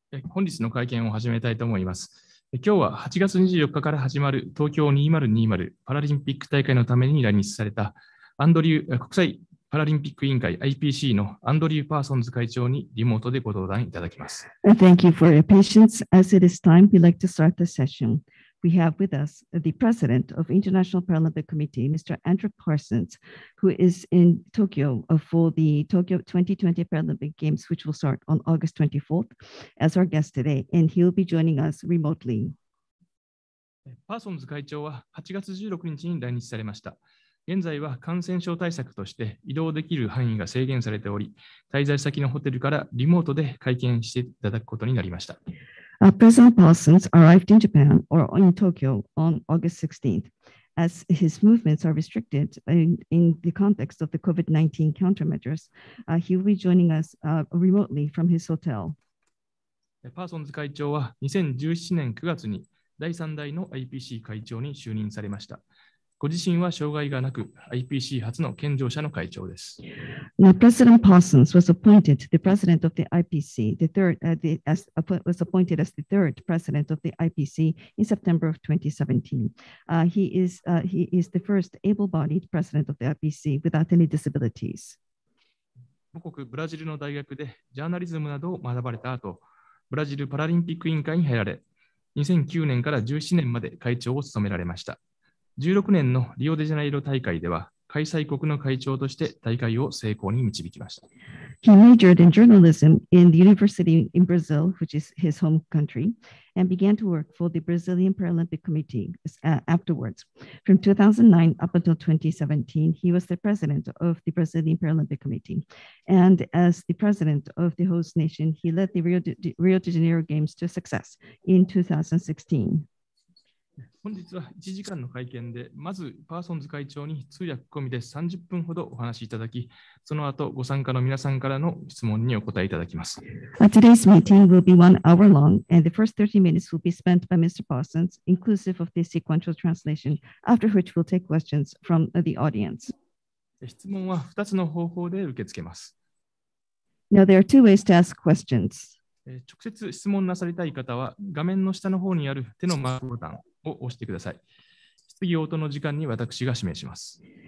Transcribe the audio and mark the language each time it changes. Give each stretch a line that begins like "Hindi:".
Japanese: 本日の会見を始めたいと思います。今日は8月24日から始まる東京2020パラリンピック大会のために来日されたアンドリュー国際パラリンピック委員会 IPC のアンドリュー・パーソンズ会長にリモートでご登壇いただきます。
English: Thank you for your patience. As it is time, we'd like to start the session. We have with us the President of International Paralympic Committee, Mr. Andrew Parsons, who is in Tokyo for the Tokyo 2020 Paralympic Games, which will start on August 24th as our guest today, and he'll be joining us remotely.
Japanese: パーソンズ会長は8月16日に来日されました。現在は感染症対策として移動できる範囲が制限されており、滞在先のホテルからリモートで会見していただくことになりました。
English: President Parsons arrived in Japan or in Tokyo on August 16th. As his movements are restricted in the context of the COVID-19 countermeasures, he will be joining us remotely from his hotel.
Japanese: パーソンズ会長は2017年9月に第3代の IPC 会長に就任されました。ご自身は障害がなく、IPC 初の健常者の会長です。
English: Now, President Parsons was appointed the president of the IPC, the third, was appointed as the third president of the IPC in September of 2017. He is the first able-bodied president of the IPC without any disabilities.
Japanese: 母国ブラジルの大学でジャーナリズムなどを学ばれた後、ブラジルパラリンピック委員会に入られ、2009年から17年まで会長を務められました。 16年のリオデジャネイロ大会では開催国の会長として大会を成功に導きました。
English: He majored in journalism in the university in Brazil, which is his home country, and began to work for the Brazilian Paralympic Committee afterwards. From 2009 up until 2017, he was the president of the Brazilian Paralympic Committee. And as the president of the host nation, he led the Rio de Janeiro Games to success in 2016.
Japanese: 本日は1時間の会見で、まずパーソンズ会長に通訳込みで30分ほどお話しいただき、その後ご参加の皆さんからの質問にお答えいただきます。
English: Today's meeting will be 1 hour long, and the first 30 minutes will be spent by Mr. Parsons, inclusive of the sequential translation, after which we'll take questions from the audience.
Japanese: 質問は2つの方法で受け付けます。
English: Now, there are two ways to ask questions.
Japanese: 直接質問なされたい方は、画面の下の方にある手のマークボタン。を押してください。質疑応答の時間に私が指名します。